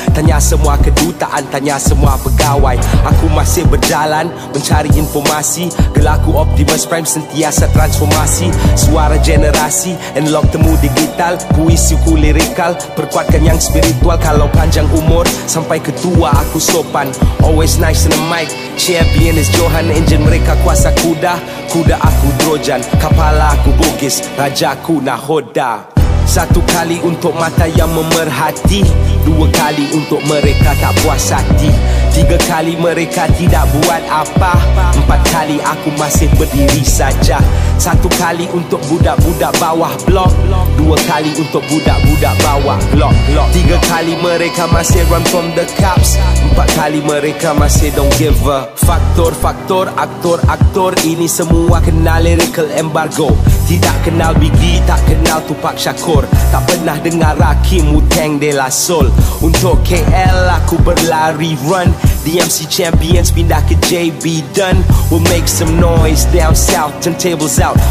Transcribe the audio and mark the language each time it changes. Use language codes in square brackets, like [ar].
[ms] Tanya semua kedutaan, tanya semua pegawai. Aku masih berjalan, mencari informasi. Gelaku Optimus Prime, sentiasa transformasi. Suara generasi, analog temu digital. Puisi ku lirikal, perkuatkan yang spiritual. Kalau panjang umur, sampai ketua aku sopan. [en] Always nice in the mic, champion is Johan. [ms] Engine mereka kuasa kuda, kuda aku Drojan. Kepala aku Bugis, raja ku Nahoda. Satu kali untuk mata yang memerhati, dua kali untuk mereka tak puas hati, tiga kali mereka tidak buat apa, empat kali aku masih berdiri saja. Satu kali untuk budak-budak bawah blok, dua kali untuk budak-budak bawah glock. Tiga kali mereka masih [en] run from the cops, [ms] empat kali mereka masih [en] don't give a. [ms] Faktor-faktor, aktor-aktor, ini semua kenal lyrical embargo. Tidak kenal Biggie, tak kenal Tupac Shakur. Tak pernah dengar Rakim, Wu-Tang, De La Soul. Untuk KL, aku berlari run. DMC Champions pindah ke JB Dunn. [en] We'll make some noise down south, turntables out.